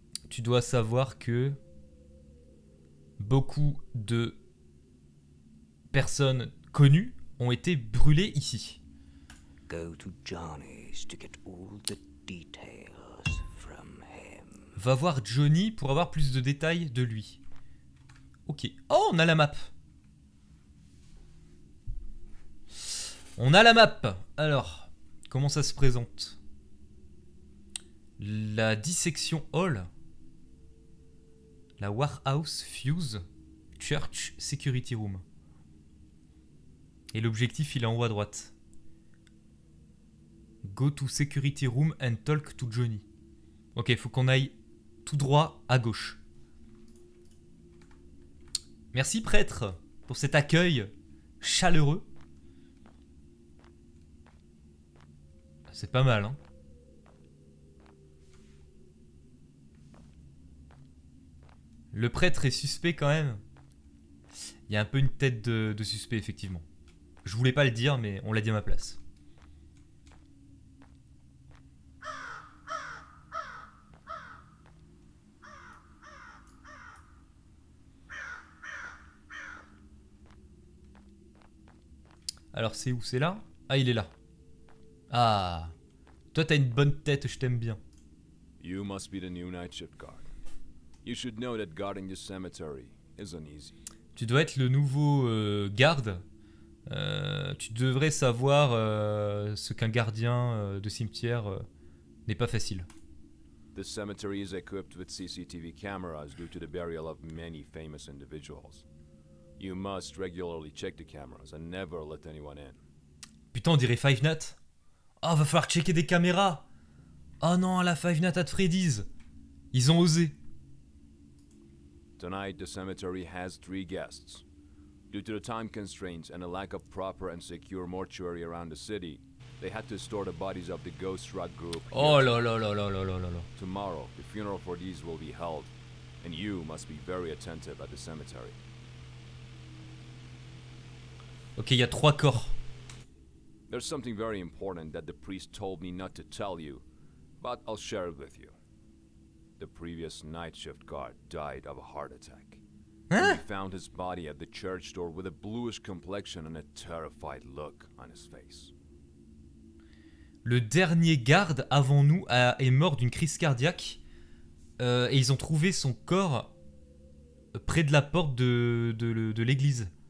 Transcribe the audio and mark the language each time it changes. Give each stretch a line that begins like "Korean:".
French: Tu dois savoir que beaucoup de personnes connues ont été brûlées ici.
English: Go to Johnny's to get all the details from him.
French: Va voir Johnny pour avoir plus de détails de lui. Ok. Oh, on a la map. On a la map. Alors, comment ça se présente? La dissection hall. La Warehouse Fuse Church Security Room. Et l'objectif, il est en haut à droite.
English: Go to Security Room and talk to Johnny.
French: Ok, faut qu'on aille tout droit à gauche. Merci, prêtre, pour cet accueil chaleureux. C'est pas mal, hein. Le prêtre est suspect quand même. Il y a un peu une tête de suspect, effectivement. Je voulais pas le dire, mais on l'a dit à ma place. Alors, c'est où? C'est là? Ah, il est là. Ah. Toi, t'as une bonne tête, je t'aime bien.
English: You must be the new night shift guard. You should know that guarding the cemetery isn't easy.
French: Tu dois être le nouveau garde. Tu devrais savoir ce qu'un gardien de cimetière n'est pas facile.
English: The cemetery is equipped with CCTV cameras due to the burial of many famous individuals. You must regularly check the cameras and never let anyone in.
French: Putain, on dirait Five Nights. Ah, oh, va falloir checker des caméras. Oh non, la Five Nights at Freddy's. Ils ont osé.
English: Tonight, the cemetery has 3 guests. Due to the time constraints and a lack of proper and secure mortuary around the city, they had to store the bodies of the Ghost Rock group. Oh, lo. Tomorrow, the funeral for these will be held, and you must be very attentive at the cemetery.
French: Okay, il y a 3 corps.
English: There's something very important that the priest told me not to tell you, but I'll share it with you. The previous night shift guard died of a heart attack. Huh? We found his body at the church door with a bluish complexion and a terrified look on his face.
French: Le dernier garde avant nous est mort d'une crise cardiaque et ils ont trouvé son corps près de la porte de l'église.